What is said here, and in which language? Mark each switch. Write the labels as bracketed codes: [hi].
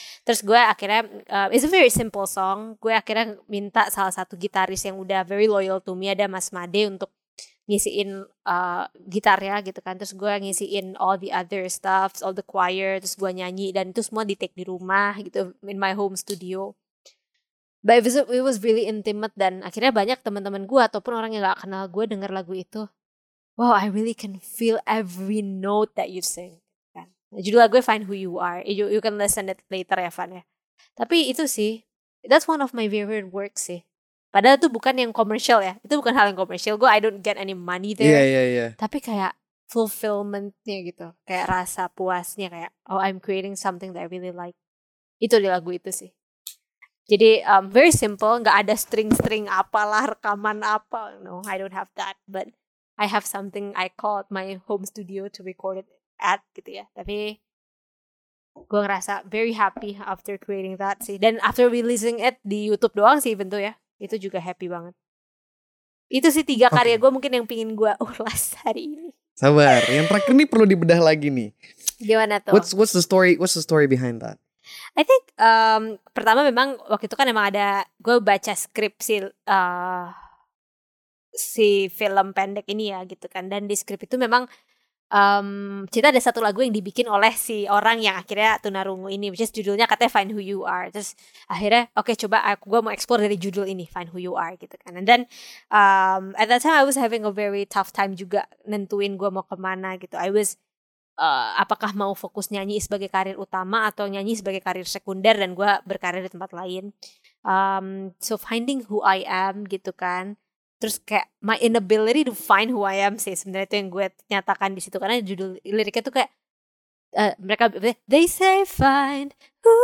[id] Terus gue akhirnya, [en] it's a very simple song. [id] Gue akhirnya minta salah satu gitaris yang udah [en] very loyal to me, [id] ada Mas Made, untuk ngisiin gitarnya gitu kan. Terus gue ngisiin [en] all the other stuff, all the choir, [id] terus gue nyanyi, dan itu semua di take di rumah gitu, [en] in my home studio. But it was really intimate, [id] dan akhirnya banyak teman-teman gue ataupun orang yang gak kenal gue denger lagu itu, wow, [en] I really can feel every note that you sing. [id] Kan? Judul lagu Find Who You Are, [en] you can listen it later [id] ya Van ya. Tapi itu sih, [en] that's one of my favorite works sih. [id] Padahal itu bukan yang komersial ya. Itu bukan hal yang komersial. [en] Gue, I don't get any money there. [id] Iya. Tapi kayak fulfillment-nya gitu. Kayak rasa puasnya kayak, [en] oh, I'm creating something that I really like. [id] Itu di lagu itu sih. Jadi, [en] very simple. [id] Gak ada string-string apalah, rekaman apa. [en] No, I don't have that. But I have something I call my home studio to record it at [id] gitu ya. Tapi gue ngerasa [en] very happy after creating that sih. [id] Dan [en] after releasing it [id] di YouTube doang sih [en] even though [id] ya. Itu juga happy banget. Itu sih tiga karya okay. Gue mungkin yang pingin gue ulas hari ini. Sabar, yang terakhir ini perlu dibedah lagi nih. Gimana tuh? [en] What's the story behind that? [id] I think pertama memang waktu itu kan emang ada gue baca skrip si film pendek ini ya gitu kan. Dan di skrip itu memang cerita ada satu lagu yang dibikin oleh si orang yang akhirnya tunarungu ini, [en] which is [id] judulnya katanya Find Who You Are. Terus akhirnya okay, coba gue mau explore dari judul ini Find Who You Are gitu kan. [en] And then at that time I was having a very tough time [id] juga nentuin gue mau kemana gitu. [en] I was [id] apakah mau fokus nyanyi sebagai karir utama atau nyanyi sebagai karir sekunder dan gue berkarir di tempat lain. So finding who I am gitu kan. Terus kayak [en] my inability to find who I am [id] sih sebenarnya itu yang gue nyatakan di situ karena judul liriknya tuh kayak mereka [en] they say find who